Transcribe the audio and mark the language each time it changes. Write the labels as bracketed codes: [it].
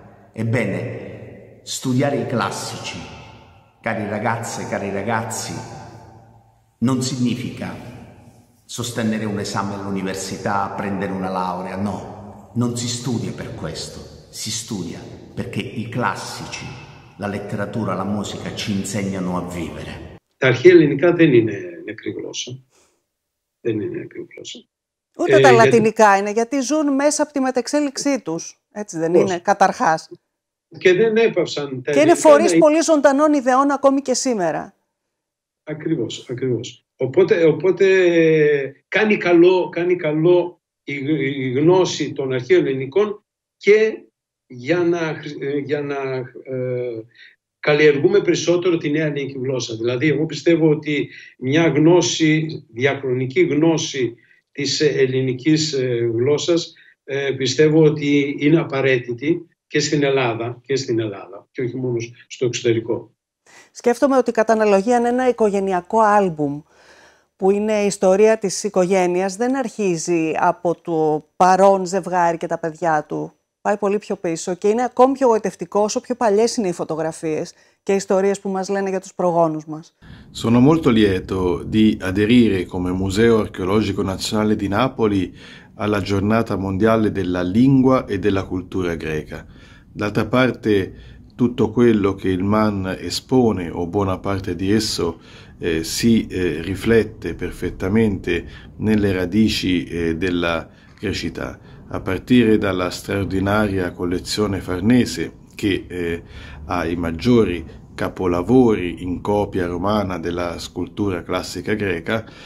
[it] Ebbene, studiare i classici, cari ragazze, cari ragazzi, non significa sostenere un esame all'università, prendere una laurea, no, non si studia per questo, si studia perché i classici, la letteratura, la musica ci insegnano a vivere. [el] Τα αρχαία ελληνικά δεν είναι νεκρή γλώσσα. Δεν είναι νεκρή γλώσσα. Ούτε τα λατινικά είναι, γιατί ζουν μέσα από τη μετεξέλιξή τους. Έτσι δεν είναι, καταρχάς. Και δεν έπαυσαν τα. Και είναι φορείς πολύ ζωντανών ιδεών ακόμη και σήμερα. Ακριβώς, ακριβώς. Οπότε κάνει καλό η γνώση των αρχαίων ελληνικών και για να καλλιεργούμε περισσότερο τη νέα ελληνική γλώσσα. Δηλαδή, εγώ πιστεύω ότι μια γνώση, διαχρονική γνώση της ελληνικής γλώσσας, πιστεύω ότι είναι απαραίτητη και στην Ελλάδα, και όχι μόνο στο εξωτερικό. Σκέφτομαι ότι κατά αναλογία είναι ένα οικογενειακό άλμπουμ που είναι η ιστορία της οικογένειας, δεν αρχίζει από το παρόν ζευγάρι και τα παιδιά του. Πάει πολύ πιο πίσω και είναι ακόμη πιο γοητευτικό όσο πιο παλιές είναι οι φωτογραφίες και οι ιστορίες που μας λένε για τους προγόνους μας. [it] Sono molto lieto di aderire come Museo Archeologico Nazionale di Napoli alla giornata mondiale della lingua e della cultura greca. D'altra parte, tutto quello che il MAN espone, o buona parte di esso, si riflette perfettamente nelle radici della Grecità, a partire dalla straordinaria collezione Farnese, che ha i maggiori capolavori in copia romana della scultura classica greca,